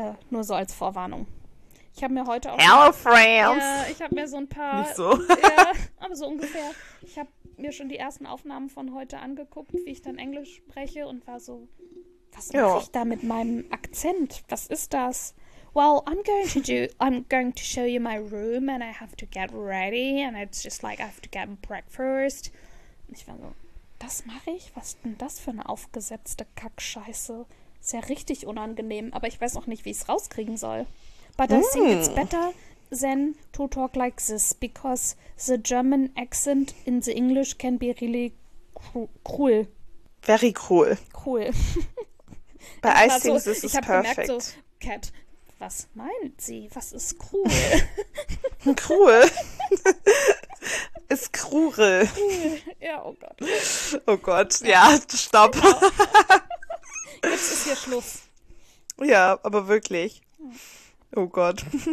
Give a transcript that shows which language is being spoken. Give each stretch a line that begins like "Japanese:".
German: Nur so als Vorwarnung. Ich habe mir heute auch...
English: Hello, France!
German: Ich habe mir so ein paar... Nicht so. Aber so ungefähr. Ich habe mir schon die ersten Aufnahmen von heute angeguckt, wie ich dann Englisch spreche und war so, was mache ich da mit meinem Akzent? Was ist das?
English: Well, I'm going to show you my room and I have to get ready and it's just like I have to get breakfast.
German: Und ich war so, das mache ich? Was denn das für eine aufgesetzte Kackscheiße? Ist ja richtig unangenehm, aber ich weiß auch nicht, wie ich es rauskriegen soll.
English: But I think it's better than to talk like this, because the German accent in the English can be really cruel. Very cruel. Cruel. But I think this is perfect.
German: Ich habe gemerkt so, Kat, was meint sie? Was ist cruel? Cruel? Ist krurel. Ja, oh Gott. Oh Gott, ja, stopp. Genau. Jetzt ist hier Schluss. Ja, aber wirklich. Oh Gott.